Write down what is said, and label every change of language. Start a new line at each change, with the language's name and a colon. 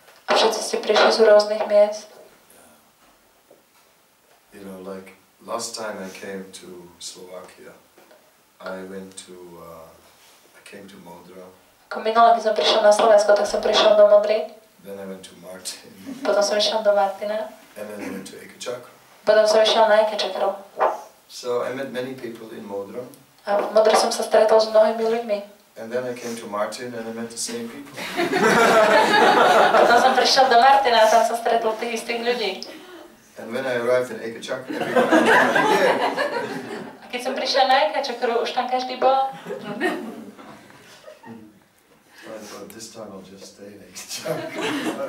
Slovak: A všetci ste prišli z rôznych miest.
English: Yeah. You know, like, last time I came to Slovakia, I went to, I came to Modra.
Slovak: Ako minule, keď som prišiel na Slovensko, tak som prišiel do Modry.
English: Then I went to Martin.
Slovak: Potom som išiel do Martina.
English: And then I went to Ekachakra.
Slovak: Potom som išiel na Ekachakru.
English: So I met many people in Modra.
Slovak: A v Modre som sa stretol s mnohými ľuďmi.
English: And then I came to Martin and I met the same people.
Slovak: Potom som prišiel do Martina a tam som stretol tých istých ľudí.
English: And when I arrived in Ekachakra, everyone was again.
Slovak: A keď som prišiel na Ekachakru, už tam každý bol.
English: But this time I'll just stay in Ekachakra.